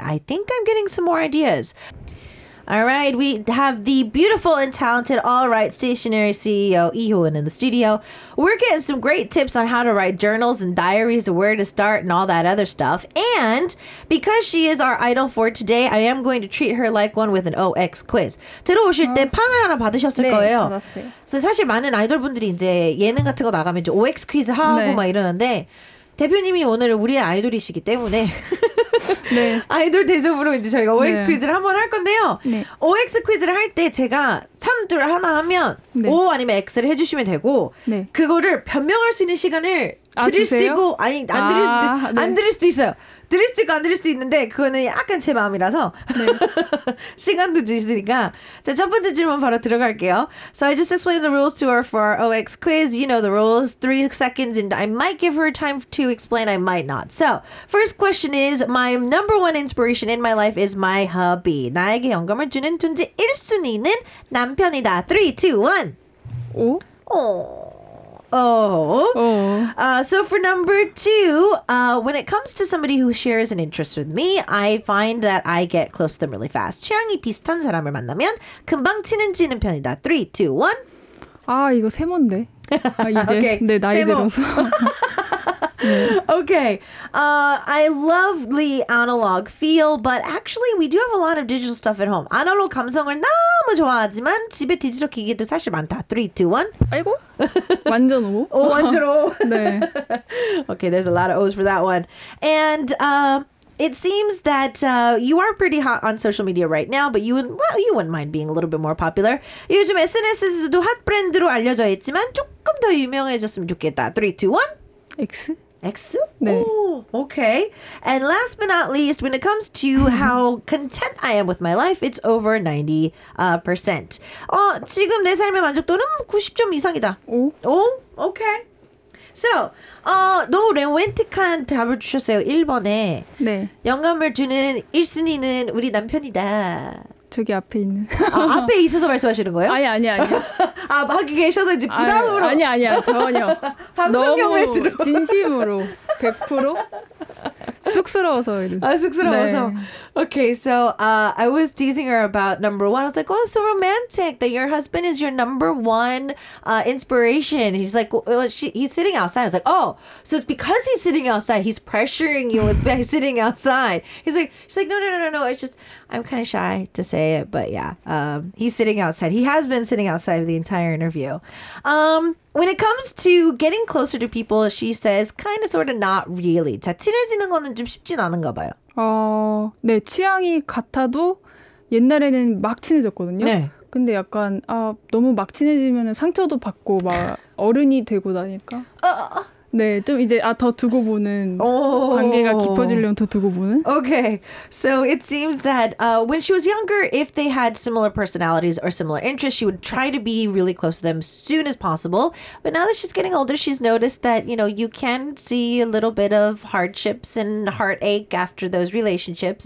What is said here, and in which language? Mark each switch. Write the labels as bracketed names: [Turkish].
[English] I think I'm getting some more ideas. All right, we have the beautiful and talented All Right Stationery CEO, Ihoon, in the studio. We're getting some great tips on how to write journals and diaries, where to start, and all that other stuff. And because she is our idol for today, I am going to treat her like one with an OX quiz. [Korean] 들어오실 때 팡을 하나 받으셨을 네, 거예요. 네, 받았어요. 사실 많은 아이돌분들이 이제 예능 같은 거 나가면 이제 OX 퀴즈 하고 네. 막 이러는데 대표님이 오늘 우리의 아이돌이시기 때문에 네. 아이돌 대접으로 이제 저희가 OX 네. 퀴즈를 한번 할 건데요. 네. OX 퀴즈를 할 때 제가 3, 2, 하나 하면 네. O 아니면 X를 해주시면 되고 네. 그거를 변명할 수 있는 시간을 드릴 아, 수도 있고 아니 안 드릴 수도 아, 네. 안 드릴 수도 있어요. 드릴 수도 있고 안 드릴 수도 있는데 그거는 약간 제 마음이라서 네. 시간도 주시니까 자, 첫 번째 질문 바로 들어갈게요. [English] So I just explained the rules to her for our OX quiz. You know the rules. 3 seconds and I might give her time to explain. I might not. So first question is my number one inspiration in my life is my hubby. [Korean] 나에게 영감을 주는 존재 1순위는 남편이다. 3, 2, 1. 오? 오. Oh. [English] So for number two, when it comes to somebody who shares an interest with me, I find that I get close to them really fast. [Korean] 취향이 비슷한 사람을 만나면 금방 친해지는 편이다. 3, 2, 1. 아, 이거 세모인데. 아, 이제 [English] okay. [Korean] 네, 나이 세모. 들어서. 네. [English] Okay, I love the analog feel, but actually we do have a lot of digital stuff at home. [Korean] 아날로그 감성을 너무 좋아하지만 집에 디지털 기기도 사실 많다. 3, 2, 1. 아이고, 완전 오. 오, 완전 오. 네. [English] Okay, there's a lot of O's for that one. And it seems that you are pretty hot on social media right now, but you wouldn't mind being a little bit more popular. [Korean] 요즘 SNS에서도 핫 브랜드로 알려져 있지만 조금 더 유명해졌으면 좋겠다. 3, 2, 1. X? X? 네. [English] Ooh, okay. And last but not least, when it comes to how content I am with my life, it's over 90%. [Korean] 지금 내 삶의 만족도는 90점 이상이다. 오? 오? Okay. So, 너무 로맨틱한 답을 주셨어요. 1번에. 네. 영감을 주는 1순위는 우리 남편이다. 저기 앞에 있는. 아, 앞에 있어서 말씀하시는 거예요? 아니. 아, 밖에 계셔서 이제 부담으로. 아니, 전혀. 방송 경우에 들어. 진심으로. 100%. 쑥스러워서 아 쑥스러워서. 네. [English] Okay, so I was teasing her about number one. I was like, oh, so romantic that your husband is your number one inspiration. He's like, well, he's sitting outside. I was like, oh, so it's because he's sitting outside, he's pressuring you with by sitting outside. He's like, she's like, no. It's just I'm kind of shy to say it, but yeah, he's sitting outside. He has been sitting outside the entire interview. When it comes to getting closer to people, she says, kind of, sort of, not really. [Korean] 자, 친해지는 거는 좀 쉽진 않은가 봐요. 네, 취향이 같아도 옛날에는 막 친해졌거든요. 네. 근데 약간 아, 너무 막 친해지면 상처도 받고 막 어른이 되고 나니까. 네, 좀 이제 아, 더 두고 보는 관계가 깊어지려면 더 두고 보는. [English] Okay, so it seems that when she was younger, if they had similar personalities or similar interests, she would try to be really close to them as soon as possible. But now that she's getting older, she's noticed that, you know, you can see a little bit of hardships and heartache after those relationships.